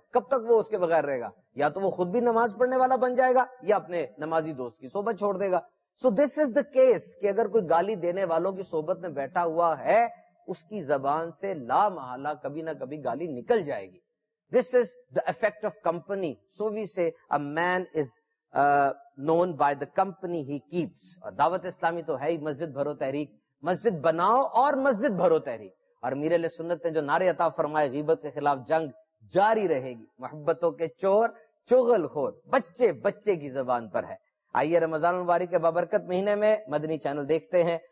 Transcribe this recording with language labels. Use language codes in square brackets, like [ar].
[ur] کب تک وہ اس کے بغیر رہے گا؟ یا تو وہ خود بھی نماز پڑھنے والا بن جائے گا یا اپنے نمازی دوست کی صحبت چھوڑ دے گا. [en] so this is the case [ur] کہ اگر کوئی گالی دینے والوں کی صحبت میں بیٹھا ہوا ہے، اس کی زبان سے لا محالہ کبھی نہ کبھی گالی نکل جائے گی. [en] This is the effect of company. So we say man is known by the company he keeps. [ur] اور دعوت اسلامی تو ہے ہی مسجد بھرو تحریک، مسجد بناؤ اور مسجد بھرو تحریک. اور میر علیہ سنت نے جو نعرے عطا فرمائے، غیبت کے خلاف جنگ جاری رہے گی، محبتوں کے چور چغل خور بچے بچے کی زبان پر ہے. آئیے رمضان المبارک کے بابرکت مہینے میں مدنی چینل دیکھتے ہیں.